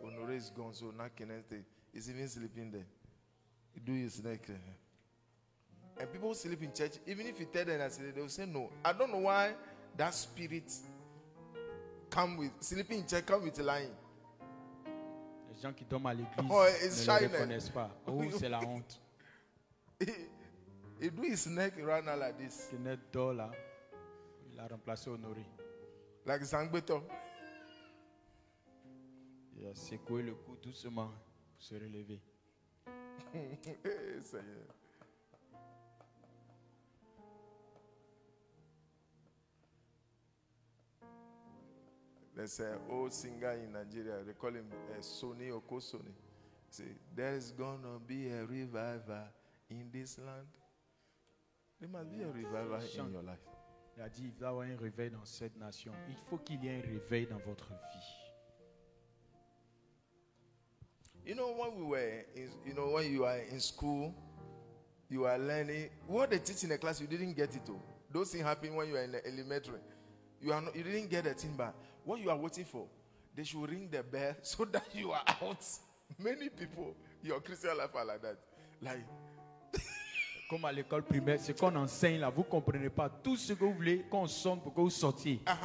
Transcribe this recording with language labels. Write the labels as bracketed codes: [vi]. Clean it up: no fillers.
[en] Honoré is gone, so now Kenneth is even sleeping there. He do his neck. And people sleep in church, even if you tell them, they will say no. I don't know why that spirit come with, sleeping in church come with lying. [fr] Les gens qui dorment à l'église oh, ne les reconnaissent pas. Oh, c'est la honte. [en] He do his neck run out like this. [fr] Kenneth Dola, il a remplacé Honoré. [en] Like Zangbeto. [fr] Il a secoué le cou doucement pour se relever. Hey, Seigneur. [en] There's an old singer in Nigeria. They call him Sony Okosoni. Say, there's going to be a revival in this land. There must be a revival in your life. [fr] Il a dit, il va y avoir un réveil dans cette nation. Il faut qu'il y ait un réveil dans votre vie. [en] You know, when we were in, you know, when you are in school, you are learning. What they teach in the class, you didn't get it. Those things happen when you are in the elementary. You didn't get the thing, but what you are waiting for, they should ring the bell so that you are out. Many people, your Christian life are like that. Like, [fr] comme à l'école primaire, ce qu'on enseigne là, vous ne comprenez pas tout ce que vous voulez qu'on sonne pour que vous sortiez.